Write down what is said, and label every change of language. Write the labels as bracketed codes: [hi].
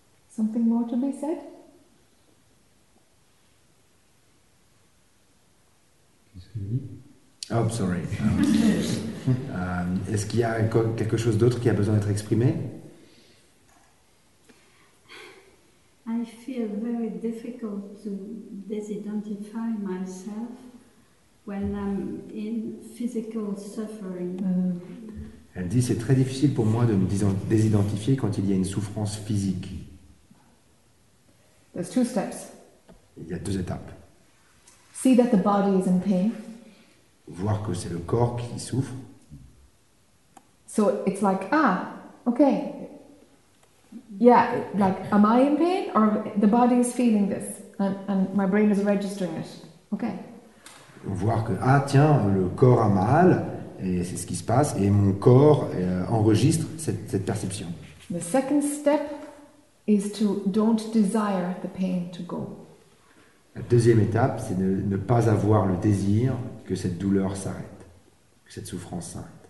[en] Something more to be said? Oh, sorry. [fr] est-ce qu'il y a quelque chose d'autre qui a besoin d'être exprimé? [en] I feel very difficult to disidentify myself when I'm in physical suffering. [fr] Elle dit, c'est très difficile pour moi de me désidentifier quand il y a une souffrance physique. [en] There's two steps. [fr] Il y a deux étapes. [en] See that the body is in pain. [fr] Voir que c'est le corps qui souffre. [en] So it's like, ah, okay. Yeah, like, am I in pain? Or the body is feeling this, and my brain is registering it. Okay. [fr] voir que, ah tiens, le corps a mal, et c'est ce qui se passe, et mon corps enregistre cette perception. [en] The second step is to don't desire the pain to go. [fr] La deuxième étape, c'est de ne pas avoir le désir que cette douleur s'arrête, que cette souffrance s'arrête.